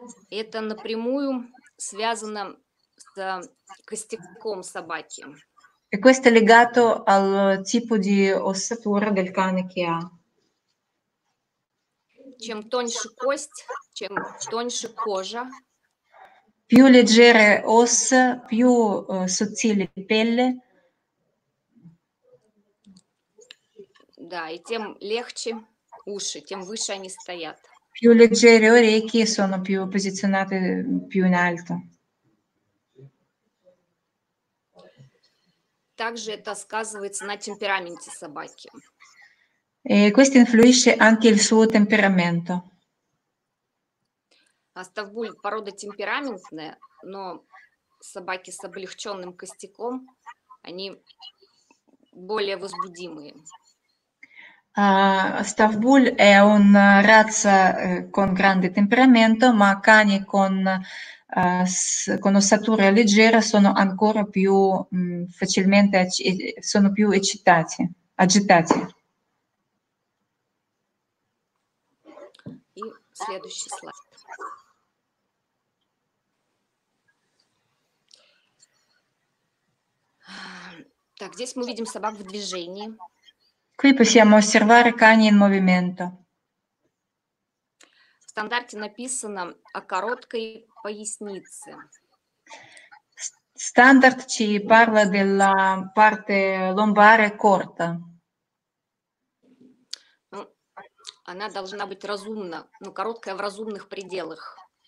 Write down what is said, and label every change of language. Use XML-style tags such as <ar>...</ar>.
<ru>Это напрямую связано с костяком собаки.</ru> <it>E questo è legato al tipo di ossatura del cane che ha.</it> <ru>Чем тоньше кость, чем тоньше кожа.</ru> <it>Più leggere ossa, più sottile pelle.</it> <ru>Да, и тем легче уши, тем выше они стоят.</ru> <it>Più leggere orecchie sono più posizionate più in alto.</it> <ru>Также это сказывается на темпераменте собаки.</ru> <it>E questo influisce anche il suo temperamento.</it> <ru>Ставбуль порода темпераментная, но собаки с облегченным костяком, они более возбудимые.</ru> <it>Ставбуль è un razza con grande temperamento, ma cani con ossatura leggera sono ancora più facilmente sono più eccitati, agitati.</it> <ru>И следующий слайд. Так, здесь мы видим собак в движении.</ru> <it>Qui possiamo osservare cani in movimento.</it> <ru>стандарте написано о короткой пояснице.</ru> <it>Стандарт ci parla della parte lombare corta.</it> <ru>Она должна быть разумна, но короткая в разумных пределах.</ru>